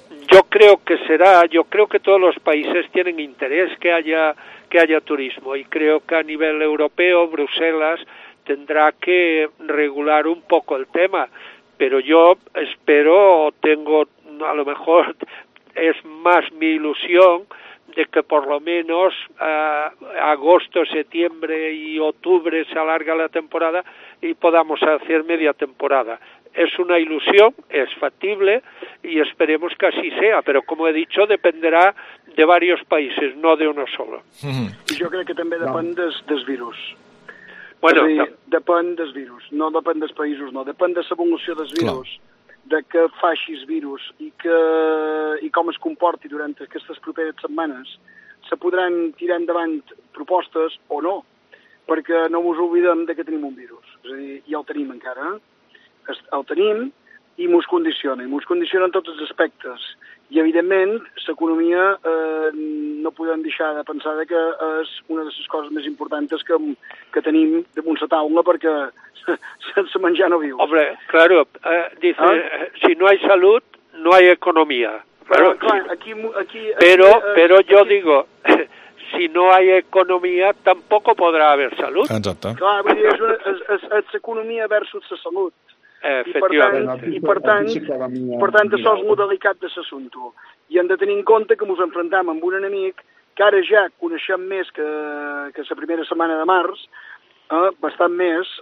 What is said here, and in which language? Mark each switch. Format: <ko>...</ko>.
<es>Yo creo que todos los países tienen interés que haya turismo, y creo que a nivel europeo Bruselas tendrá que regular un poco el tema, pero yo espero, a lo mejor es más mi ilusión, de que por lo menos agosto, septiembre y octubre se alarga la temporada y podamos hacer media temporada. Es una ilusión, es factible y esperemos que así sea, pero como he dicho, dependerá de varios países, no de uno solo. Yo creo que también depende del virus. Bueno, depende del virus, no depende</es> <ca>dels països,</ca> <es>no. Depende</es> <ca>de la evolució del virus, de que faixis virus i com es comporti durant aquestes properes setmanes, se podran tirar endavant propostes o no, perquè no ens oblidem de que tenim un virus. És a dir, ja el tenim encara, el tenim i ens condiciona, en tots els aspectes. I, evidentment, l'economia no podem deixar de pensar que és una de les coses més importants que tenim damunt la taula, perquè sense menjar no viu.</ca> <es>Hombre, claro, dice, si no hay salud, no hay economía.</es> <ca>Però, clar, aquí,</ca> <es>Pero yo aquí... digo, si no hay economía, tampoco podrá haber salud.</es> <ca>Exacte. Clar, vull dir, és economia versus la salut. I per tant, això és molt delicat de l'assumpte. I hem de tenir en compte que ens enfrontem amb un enemic que ara ja coneixem més que la primera setmana de març, bastant més.</ca>